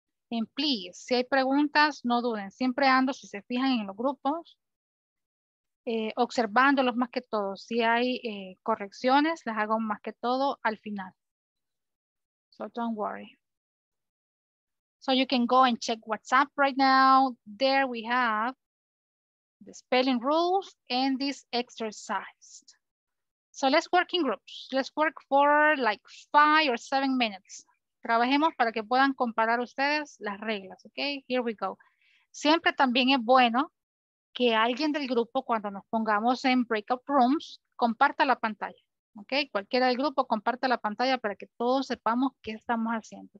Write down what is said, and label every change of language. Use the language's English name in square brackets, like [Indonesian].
[English] And please, [Spanish] si hay preguntas, no duden. Siempre ando, si se fijan en los grupos, observándolos más que todo. Si hay correcciones, las hago más que todo al final. [English] So don't worry. So you can go and check WhatsApp right now. There we have the spelling rules and this exercise. So let's work in groups. Let's work for like 5 or 7 minutes. [Spanish] Trabajemos para que puedan comparar ustedes las reglas, ok? [English] Here we go. [Spanish] Siempre también es bueno que alguien del grupo, cuando nos pongamos en breakout rooms, comparta la pantalla, ok? Cualquiera del grupo comparta la pantalla para que todos sepamos qué estamos haciendo.